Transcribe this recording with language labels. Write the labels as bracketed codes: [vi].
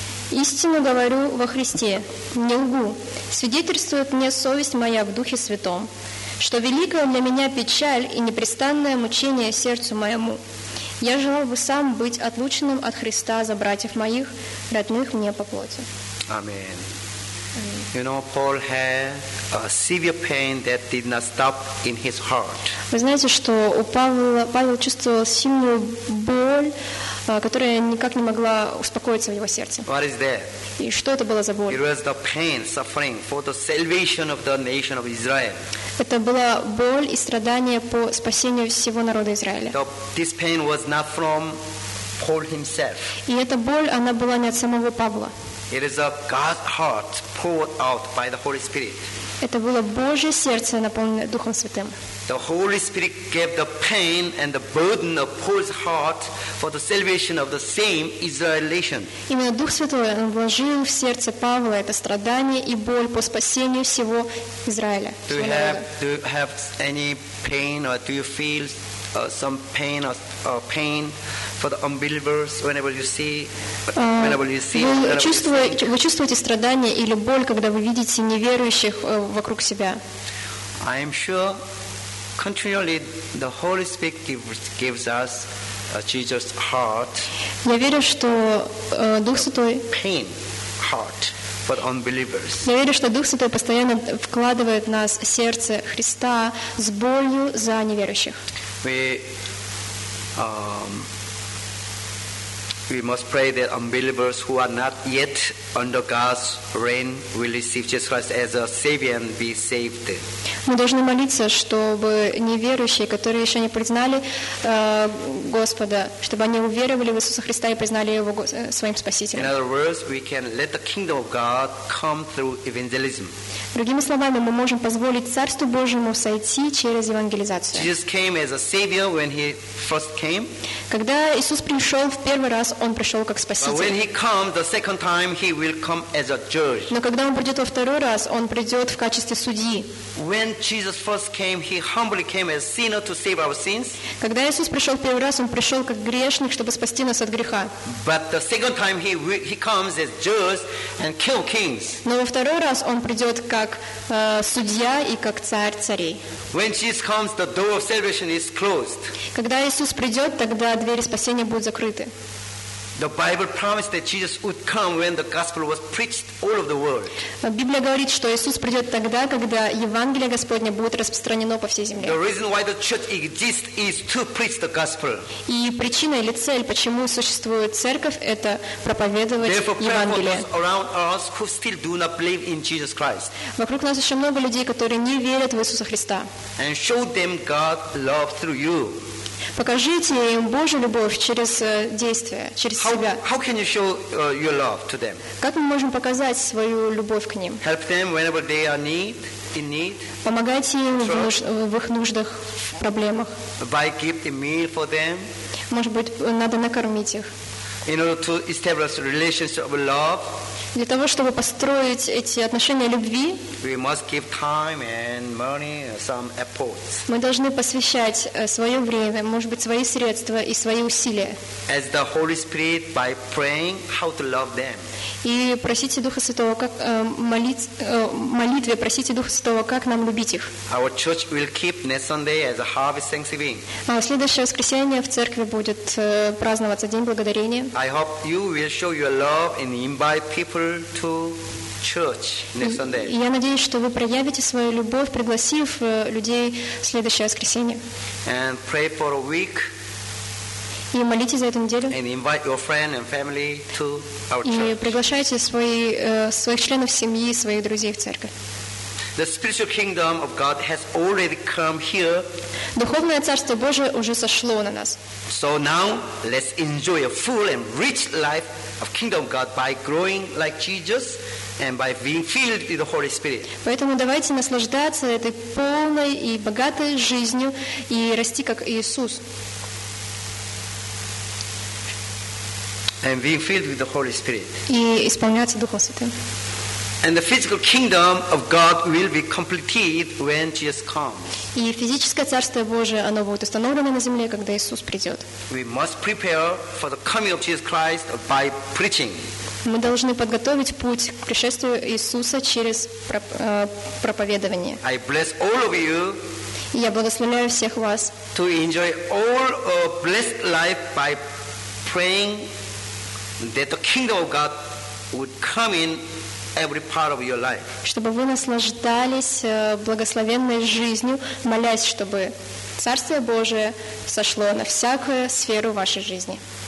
[ru] Истину говорю во Христе, не лгу, свидетельствует мне совесть моя в Духе Святом, что великая для меня печаль и непрестанное мучение сердцу моему. Я желал бы сам быть отлученным от Христа за братьев моих, родных мне по плоти. [en] Amen. You know, Paul had a severe pain that did not stop in his heart. [ru] Вы знаете, что у Павел чувствовал сильную боль, которая никак не могла успокоиться в его сердце. [en] What is that? [ru] И что это было за боль? [en] It was the pain, suffering for the salvation of the nation of Israel. [ru] Это была боль и страдание по спасению всего народа Израиля. [en] This pain was not from Paul himself. [ru] И эта боль, она была не от самого Павла. [en] It is a God's heart poured out by the Holy Spirit. [ru] Это было Божье сердце, наполненное Духом Святым. [en] The Holy Spirit gave the pain and the burden of Paul's heart for the salvation of the same Israel nation. [ru] Именно Дух Святой вложил в сердце Павла это страдание и боль по спасению всего Израиля. [en] Do you have any pain or do you feel some pain or pain for the unbelievers [ru] Вы чувствуете страдание или боль, когда вы видите неверующих вокруг себя? [en] I am sure continually the Holy Spirit gives us Jesus' heart. [ru] Я верю, что Дух Святой [en] pain heart for the unbelievers. [ru] Я верю, что Дух Святой постоянно вкладывает в нас сердце Христа с болью за неверующих. [en] We We must pray that unbelievers who are not yet under God's reign will receive Jesus Christ as a savior and be saved. [ru] Мы должны молиться, чтобы неверующие, которые еще не признали Господа, чтобы они уверовали в Иисуса Христа и признали его своим спасителем. [en] In other words, we can let the kingdom of God come through evangelism. [ru] Другими словами, мы можем позволить Царству Божьему сойти через евангелизацию. [en] Jesus came as a savior when he first came. [ru] Когда Иисус пришел в первый раз, он пришел как спаситель. [en] But when he comes the second time, he will come as a judge. [ru] Но когда он придет во второй раз, он придет в качестве судьи. [en] When Jesus first came, he humbly came as a sinner to save our sins. [ru] Когда Иисус пришел в первый раз, он пришел как грешник, чтобы спасти нас от греха. [en] But the second time he comes as judge and kill kings. [ru] Но во второй раз он придет как судья и как царь царей. [en] When Jesus comes, the door of salvation is closed. [ru] Когда Иисус придет, тогда двери спасения будут закрыты. [en] The Bible promised that Jesus would come when the gospel was preached all over the world. [ru] Библия говорит, что Иисус придет тогда, когда Евангелие Господне будет распространено по всей земле. [en] The reason why the church exists is to preach the gospel. [ru] И причина или цель, почему существует церковь, это проповедовать [en] Therefore, [ru] Евангелие. [en] Therefore, people around us who still do not believe in Jesus Christ. [ru] Вокруг нас еще много людей, которые не верят в Иисуса Христа. [en] And show them God's love through you. [ru] Покажите им Божью любовь через действия, через себя. [en] How can you show your love to them? [ru] Как мы можем показать свою любовь к ним? [en] Help them whenever they are in need. [ru] Помогайте им в их нуждах, в проблемах. [en] Buy gift and meal for them. [ru] Может быть, надо накормить их. [en] In order to establish relationship of love. [ru] Для того, чтобы построить эти отношения любви, [en] we must give time and money and some efforts. [ru] Мы должны посвящать свое время, может быть, свои средства и свои усилия. [en] As the Holy Spirit by praying how to love them. [ru] И просите Духа Святого, как молитве просите Духа Святого, как нам любить их. [en] Our church will keep next Sunday as a harvest thanksgiving. [ru] Следующее воскресенье в церкви будет праздноваться День Благодарения. [en] I hope you will show your love and invite people to church next Sunday. [ru] Я надеюсь, что вы проявите свою любовь, пригласив людей в следующее воскресенье. [en] And pray for a week. [ru] И молитесь за эту неделю. [en] And invite your friend and family to our church. [ru] И приглашайте своих членов семьи, своих друзей в церковь. [en] The spiritual kingdom of God has already come here. [ru] Духовное царство Божие уже сошло на нас. [en] So now let's enjoy a full and rich life of kingdom God by growing like Jesus and by being filled with the Holy Spirit. [ru] Поэтому давайте наслаждаться этой полной и богатой жизнью и расти как Иисус. [en] And being filled with the Holy Spirit. [ru] И исполняться Духом Святым. [en] And the physical kingdom of God will be completed when Jesus comes. [ru] И физическое царство Божие, оно будет установлено на земле, когда Иисус придет. [en] We must prepare for the coming of Jesus Christ by preaching. [ru] Мы должны подготовить путь к пришествию Иисуса через проповедование. [en] I bless all of you. [ru] Я благословляю всех вас. [en] To enjoy all a blessed life by praying. That the kingdom of God would come in every part of your life. [ru] Чтобы вы наслаждались благословенной жизнью, молясь, чтобы Царствие Божие сошло на всякую сферу вашей жизни.